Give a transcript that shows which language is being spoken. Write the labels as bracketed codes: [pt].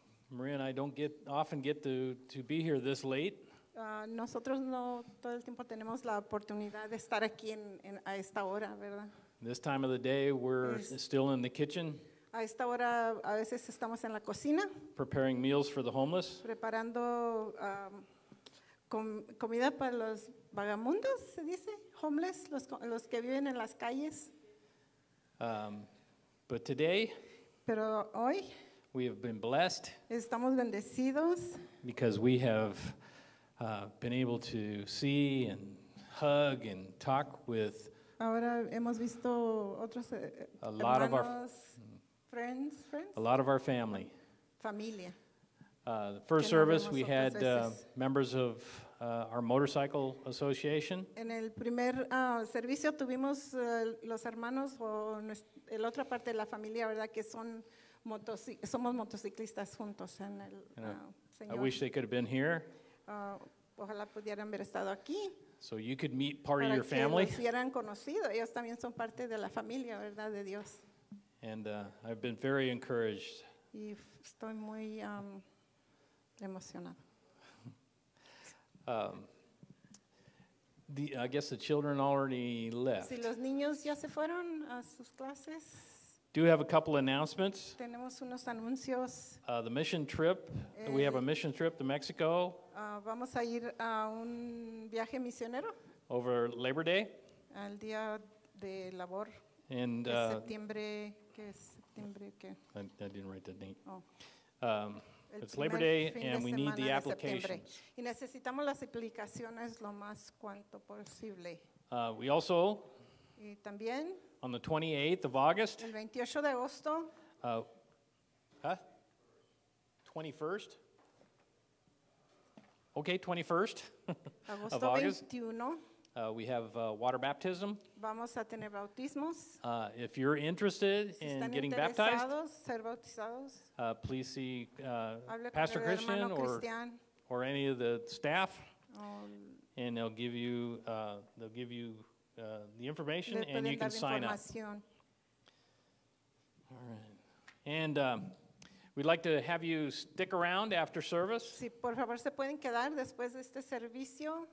[en] Maria and I don't often get to be here this late. [es] Nosotros no todo el tiempo tenemos la oportunidad de estar aquí a esta hora, ¿verdad? [en] This time of the day, we're still in the kitchen. [es] A esta hora, a veces estamos en la cocina. [en] Preparing meals for the homeless. [es] Preparando comida para los vagamundos, se dice. Homeless, los que viven en las calles. [en] But today, [es] pero hoy, [en] we have been blessed. [es] Estamos bendecidos. [en] Because we have been able to see and hug and talk with [es] ahora hemos visto otros, [en] a lot of our friends, a lot of our family. [es] Familia. [en] The first service we had members of our motorcycle association. [es] En el primer servicio tuvimos los hermanos o el otra parte de la familia, verdad, que son somos motociclistas juntos en el Señor. [en] I wish they could have been here. [es] Ojalá pudieran haber estado aquí. [en] So you could meet part of your family. [es] Para que los hubieran conocido. Ellos también son parte de la familia, ¿verdad? De Dios. [en] And I've been very encouraged. [es] Y estoy muy emocionado. [en] I guess the children already left. [es] Si los niños ya se fueron a sus clases. [en] Do have a couple announcements. [es] Tenemos unos anuncios. [en] The mission trip. We have a mission trip to Mexico. [es] Vamos a ir a un viaje misionero. [en] Over Labor Day. [es] Al día de labor. [en] And [es] septiembre. ¿Qué es septiembre? ¿Qué? [en] I didn't write the date. Oh. It's Labor Day, and we need the applications. [es] Y necesitamos las aplicaciones lo más cuanto posible. [en] We also. [es] Y también. [en] On the 28th of August. [es] El 28 de agosto. [en] 21st. Okay, 21st of August. 21. We have water baptism. [es] Vamos a tener bautismos. [en] If you're interested in getting baptized, [es] ser bautizados, [en] please see Pastor Christian or any of the staff, and they'll give you the information, and you can sign up. All right, and. We'd like to have you stick around after service. [es] Sí, por favor, se pueden quedar después de este servicio.